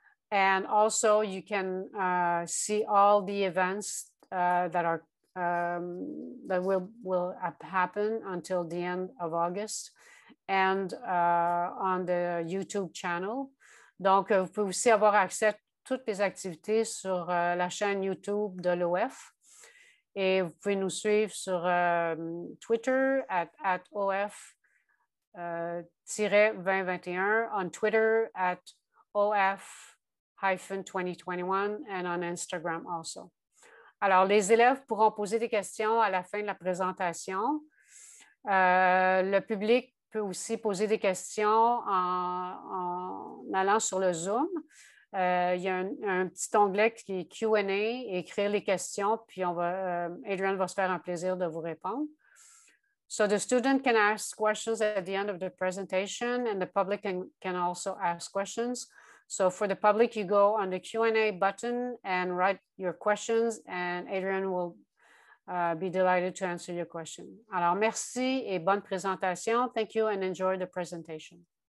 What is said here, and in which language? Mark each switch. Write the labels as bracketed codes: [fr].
[en] And also you can see all the events that are that will happen until the end of August and on the YouTube channel. [fr] Donc, vous pouvez aussi avoir accès à toutes les activités sur la chaîne YouTube de l'OF. Et vous pouvez nous suivre sur Twitter at OF-2021, [en] on Twitter at OF-2021 and on Instagram also. [fr] Alors, les élèves pourront poser des questions à la fin de la présentation. Le public peut aussi poser des questions en allant sur le Zoom. Il y a un petit onglet qui est Q&A, écrire les questions, puis Adrian va se faire un plaisir de vous répondre. [en] So the student can ask questions at the end of the presentation, and the public can also ask questions. So for the public, you go on the Q&A button and write your questions, and Adrian will be delighted to answer your question. [fr] Alors, merci et bonne présentation. [en] Thank you and enjoy the presentation.